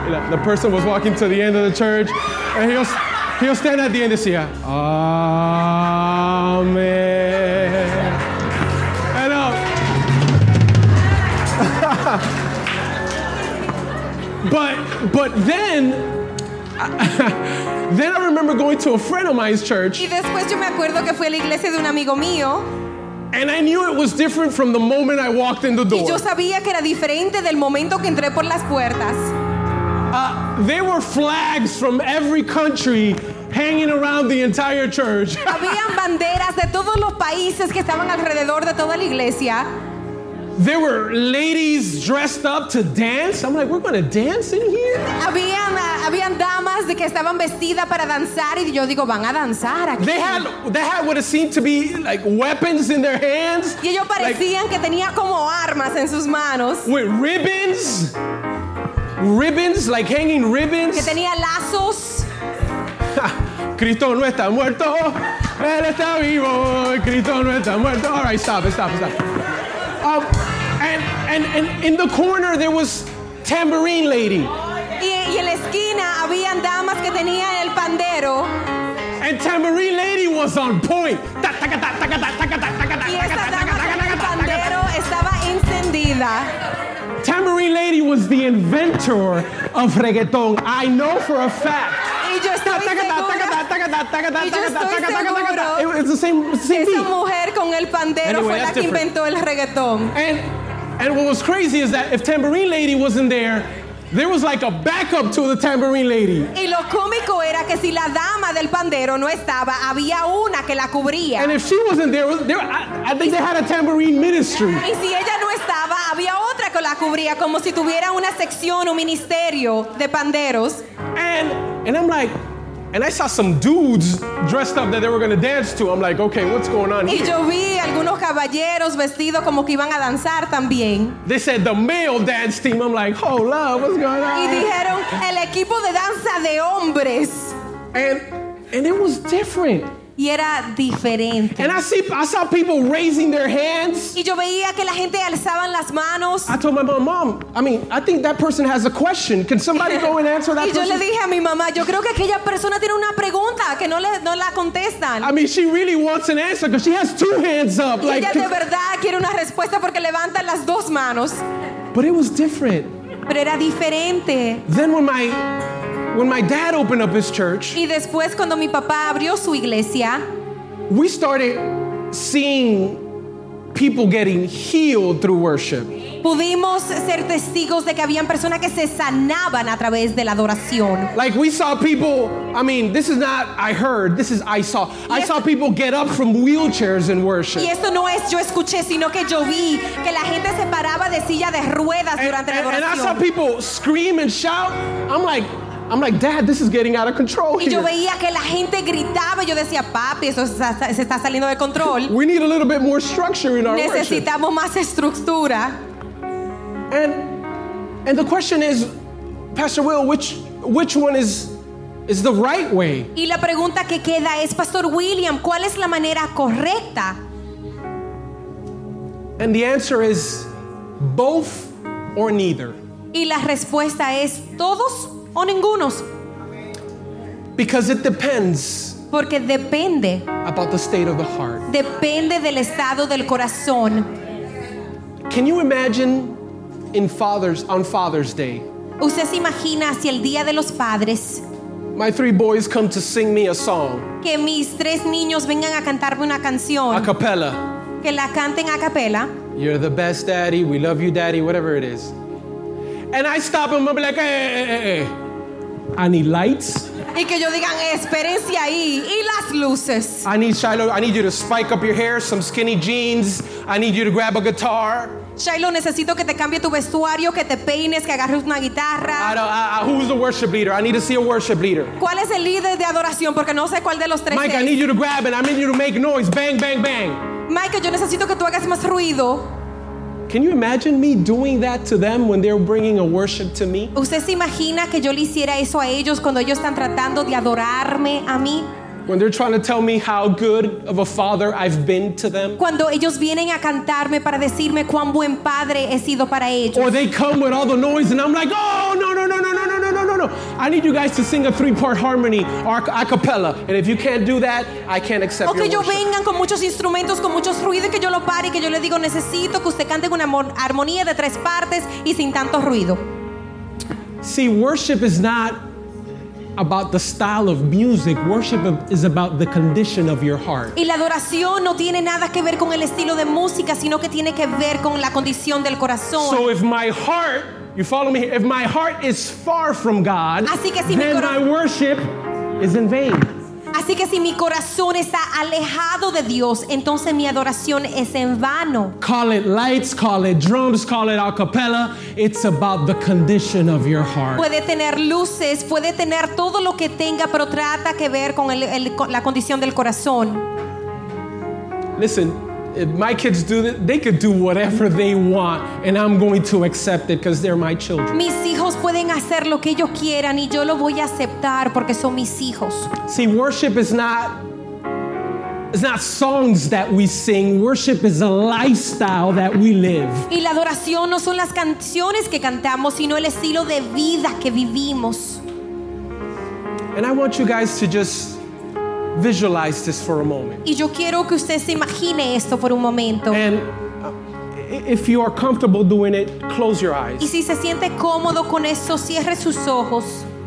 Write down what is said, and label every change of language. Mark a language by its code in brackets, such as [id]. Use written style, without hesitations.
[en] The person was walking to the end of the church, and he'll stand at the end and say, Amen. And but then I remember going to a friend of mine's church. [es] Y después yo me acuerdo que fue a la iglesia de un amigo mío. [en] And I knew it was different from the moment I walked in the door. [es] Y yo sabía que era diferente del momento que entré por las puertas. [en] There were flags from every country hanging around the entire church. [es] Habían banderas de todos los países que estaban alrededor de toda la iglesia. [en] There were ladies dressed up to dance. I'm like, we're going to dance in here? [es] Habían damas que estaban vestidas para danzar y yo digo, van a danzar aquí. [en] They had what it seemed to be like weapons in their hands. [es] Y ellos parecían que tenía como armas en sus manos. [en] With ribbons. Ribbons, like hanging ribbons. [es] Que tenía lazos. Cristo no está muerto. Él está vivo. Cristo no está muerto. [en] All right, stop. And in the corner there was tambourine lady. [es] Y en la esquina habían damas que tenían el pandero. [en] And tambourine lady was on point. [es] Y esa dama con el pandero. banda. [en] Tambourine Lady was the inventor of reggaeton. I know for a fact. It's the same beat. [es] Esa mujer con el pandero fue la que inventó el reggaeton. [en] And what was crazy is that if Tambourine Lady wasn't there, there was like a backup to the Tambourine Lady. [es] Y lo cómico era que si la dama del pandero no estaba, había una que la cubría. [en] And if she wasn't there, I think they had a tambourine ministry. [es] Y si ella no estaba, había otra que la cubría, como si tuviera una sección o ministerio de panderos. [en] And I'm like, and I saw some dudes dressed up that they were going to dance to. I'm like, okay, what's going on here? [es] Y yo vi algunos caballeros vestidos como que iban a danzar también. [en] They said the male dance team. I'm like, hold up, what's going on? [es] Y dijeron el equipo de danza de hombres. [en] And it was different. [es] Y era diferente. [en] And I saw people raising their hands. [es] Y yo veía que la gente alzaban las manos. [en] I told my mom, I mean, I think that person has a question. Can somebody go and answer that [es] y yo [en] person? [es] Le dije a mi mamá, yo creo que aquella persona tiene una pregunta que no la contestan. [en] I mean, she really wants an answer because she has two hands up. [es] Y [en] like, [es] ella de verdad quiere una respuesta porque levantan las dos manos. [en] But it was different. [es] Pero era diferente. [en] Then when my dad opened up his church, [es] y después cuando mi papá abrió su iglesia, [en] we started seeing people getting healed through worship. [es] Pudimos ser testigos de que habían personas que se sanaban a través de la adoración. [en] Like we saw people, I mean, this is not I heard, this is I saw. I saw people get up from wheelchairs in worship. [es] Y esto no es yo escuché, sino que yo vi que la gente se paraba de silla de ruedas durante la adoración. [en] And I saw people scream and shout. I'm like, Dad, this is getting out of control here. [es] Y yo veía que la gente gritaba. Yo decía, papi, eso se está saliendo de control. [en] We need a little bit more structure in our worship. [es] Necesitamos más estructura. [en] And the question is, Pastor Will, which one is the right way? [es] Y la pregunta que queda es, Pastor William, ¿cuál es la manera correcta? [en] And the answer is both or neither. [es] Y la respuesta es todos. O ningunos. [en] Because it depends. [es] Porque depende. [en] About the state of the heart. [es] Depende del estado del corazón. [en] Can you imagine on Father's Day? [es] ¿Usted se imagina si el día de los padres? [en] My three boys come to sing me a song. [es] Que mis tres niños vengan a cantarme una canción. [en] A cappella. [es] Que la canten a capela. [en] You're the best, Daddy. We love you, Daddy. Whatever it is. And I stop him and be like, hey, I need lights. [es] Y que yo digan, espérense ahí, y las luces. [en] I need Shiloh, I need you to spike up your hair, some skinny jeans. I need you to grab a guitar. [es] Shiloh, necesito que te cambie tu vestuario, que te peines, que agarres una guitarra. [en] Who's the worship leader? I need to see a worship leader. [es] ¿Cuál es el líder de adoración? Porque no sé cuál de los tres. Mike, es. [en] I need you to grab it. I need you to make noise. Bang, bang, bang. [es] Mike, yo necesito que tú hagas más ruido. [en] Can you imagine me doing that to them when they're bringing a worship to me? [es] ¿Usted se imagina que yo le hiciera eso a ellos cuando ellos están tratando de adorarme a mí? [en] When they're trying to tell me how good of a father I've been to them. [es] Cuando ellos vienen a cantarme para decirme cuán buen padre he sido para ellos. [en] Or they come with all the noise and I'm like, oh, no, no, no, no, no, no, no, no, no, no. I need you guys to sing a three-part harmony or a cappella. And if you can't do that, I can't accept your worship. [es] O que ellos vengan con muchos instrumentos, con muchos ruidos, que yo lo pare y que yo le digo, necesito que usted cante una armonía de tres partes y sin tanto ruido. [en] See, worship is not about the style of music. Worship is about the condition of your heart. [es] Y la adoración no tiene nada que ver con el estilo de música, sino que tiene que ver con la condición del corazón. [en] So if my heart, you follow me, if my heart is far from God, [es] así que si [en] then my worship is in vain. [es] Así que si mi corazón está alejado de Dios, entonces mi adoración es en vano. [en] Call it lights, call it drums, call it a cappella. It's about the condition of your heart. [es] Puede tener luces, puede tener todo lo que tenga, pero trata que ver con la condición del corazón. [en] Listen, if my kids do this, they could do whatever they want, and I'm going to accept it because they're my children. [es] Mis hijos pueden hacer lo que ellos quieran, y yo lo voy a aceptar porque son mis hijos. [en] See, worship is not songs that we sing. Worship is a lifestyle that we live. [es] Y la adoración no son las canciones que cantamos, sino el estilo de vida que vivimos. [en] And I want you guys to just visualize this for a moment. [es] Y yo quiero que usted se imagine esto por un momento. [en] And if you are comfortable doing it, close your eyes. [es] Y si se siente cómodo con eso, cierre sus ojos.